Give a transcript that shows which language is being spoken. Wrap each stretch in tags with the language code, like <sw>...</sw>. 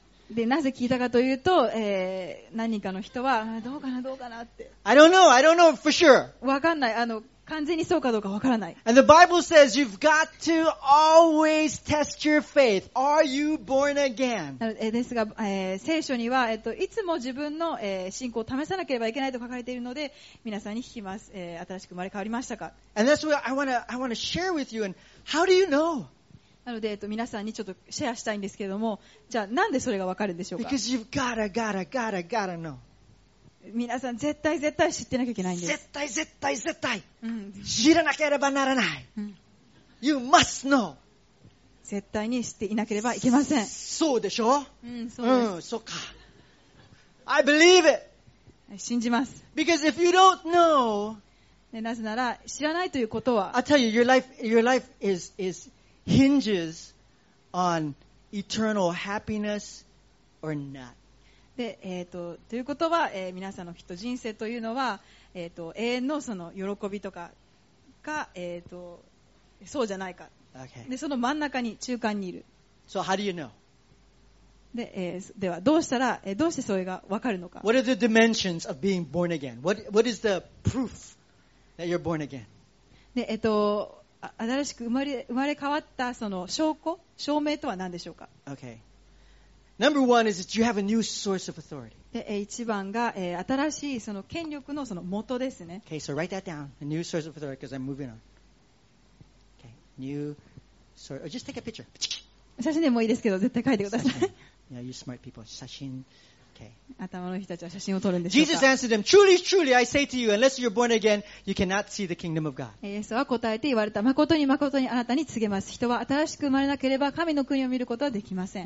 <ja>で、なぜ聞いたかというと、何人かの人は、どうかな、どうかなって。</ja> <en>I don't know for sure.</en> <ja>わかんない。完全にそうかどうかわからない。</ja> <en>And the Bible says you've got to always test your faith. Are you born again?</en> <ja>ですが、聖書には、いつも自分の、信仰を試さなければいけないと書かれているので、皆さんに聞きます。新しく生まれ変わりましたか？</ja> <en>And that's what I wanna share with you. And how do you know?</en> <ja>なので、皆さんにちょっとシェアしたいんですけども、じゃあなんでそれがわかるんでしょうか？</ja> <en>Because you've gotta know.</en> <ja>皆さん絶対絶対知ってなきゃいけないんです。絶対絶対絶対。知らなければならない。</ja> <en>You must know。</en> <ja>絶対に知っていなければいけません。そうでしょ？そうです。そうか。</ja> <en>I believe it。</en> <ja>信じます。</ja> <en>Because if you don't know、</en> <ja>なぜなら知らないということは、</ja> <en>I'll tell you, your life is hinges on eternal happiness or not.</en> <ja>で、ということは、皆さんのきっと人生というのは、永遠のその喜びとかが、そうじゃないか、</ja> <en>okay.</en> <ja>でその真ん中に中間にいる。</ja> <en>So how do you know?</en> <ja>で、ではどうしたら、どうしてそれが分かるのか。</ja> <en>What are the dimensions of being born again? What is the proof that you're born again?</en> <ja>で、新しく生まれ変わったその証拠、証明とは何でしょうか。</ja> <en>Okay. Number one is that you have a new source of authority.</en> <ja>で、一番が、新しいその権力のその元ですね。</ja> <en>Okay, so write that down. A new source of authority, because I'm moving on. Okay, new source. Just take a picture.</en> <ja>写真でもいいですけど、絶対書いてください。</ja> <en>Yeah, you smart people. 写真。Okay.</en> <ja>頭の人たちは写真を撮るんでしょうか。</ja> <en>Jesus answered them, "Truly, truly, I say to you, unless you're born again, you cannot see the kingdom of God."</en> <ja>イエスは答えて言われた。誠に誠にあなたに告げます。人は新しく生まれなければ神の国を見ることはできません。</ja>